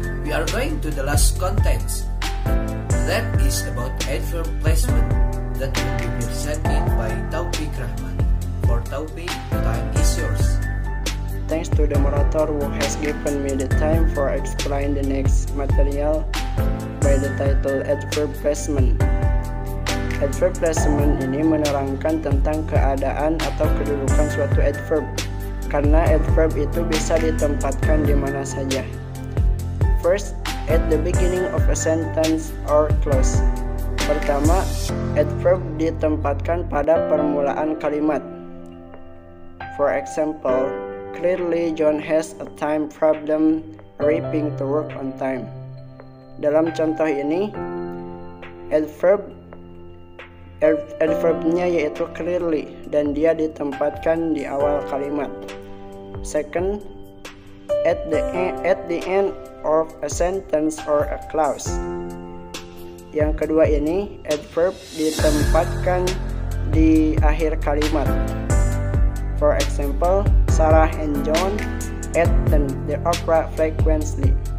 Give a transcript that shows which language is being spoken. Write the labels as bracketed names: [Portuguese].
[English] We are going to the last content that is about adverb placement that will be presented by Taufik Rahman. For Taufik, time is yours. Thanks to the moderator who has given me the time for explaining the next material by the title adverb placement. [Indonesian] Adverb placement ini menerangkan tentang keadaan atau kedudukan suatu adverb, karena adverb itu bisa ditempatkan di mana saja. [English] First, at the beginning of a sentence or clause. [Indonesian] Pertama, adverb ditempatkan pada permulaan kalimat. [English] For example, clearly John has a time problem arriving to work on time. [Indonesian] Dalam contoh ini, adverbnya yaitu clearly dan dia ditempatkan di awal kalimat. [English] Second, at the end of a sentence or a clause. [Indonesian] Yang kedua ini, adverb ditempatkan di akhir kalimat. [English] For example, Sarah and John attend the opera frequently.